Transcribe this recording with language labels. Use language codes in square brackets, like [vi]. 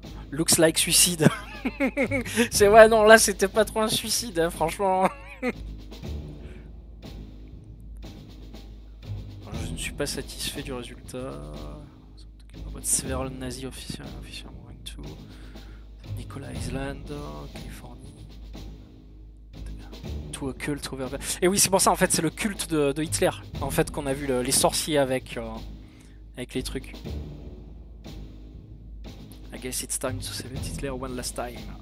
[en] Looks like suicide. [fr] C'est ouais, non, là c'était pas trop un suicide, hein, franchement. Je ne suis pas satisfait du résultat. [en] Several Nazi officials going to Nikola Island, Californie. To a cult over. [fr] Et oui, c'est pour ça, en fait, c'est le culte de Hitler. En fait, qu'on a vu les sorciers avec, avec les trucs. [en] I guess it's time to save Hitler one last time.